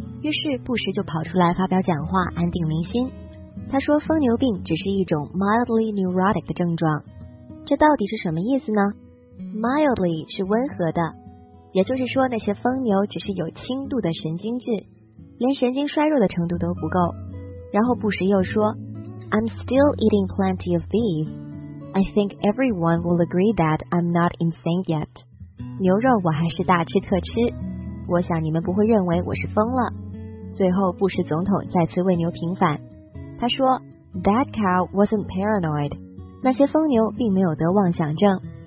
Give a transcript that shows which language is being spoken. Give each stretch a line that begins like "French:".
Chinese: 于是布什就跑出来发表讲话安定民心，他说疯牛病只是一种
English: mildly neurotic
Chinese: 的症状。这到底是什么意思呢？ mildly 是温和的，也就是说那些疯牛只是有轻度的神经质，连神经衰弱的程度都不够。然后布什又说
English: I'm still eating plenty of beef. I think everyone will agree that I'm not insane yet.
Chinese: 牛肉我还是大吃特吃，我想你们不会认为我是疯了。最后布什总统再次为牛平反，他说
English: That cow wasn't paranoid.
Chinese: 那些疯牛并没有得妄想症。